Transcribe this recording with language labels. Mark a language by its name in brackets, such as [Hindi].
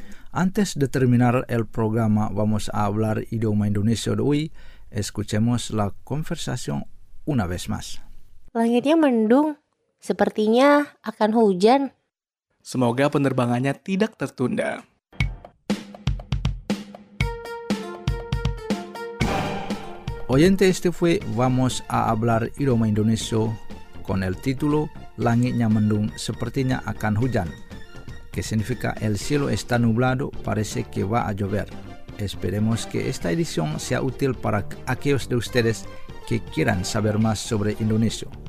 [Spanish] Antes de terminar el programa Vamos a Hablar Idioma Indonesia de hoy, escuchemos la conversación una vez más. [Indonesian] Langitnya mendung, sepertinya akan hujan. Semoga penerbangannya tidak tertunda. [Spanish] Oyente, este fue Vamos a Hablar Idioma Indonesia con el título [Indonesian] Langitnya mendung, sepertinya akan hujan, [Spanish] que significa el cielo está nublado, parece que va a llover. Esperemos que esta edición sea útil para aquellos de ustedes que quieran saber más sobre Indonesia.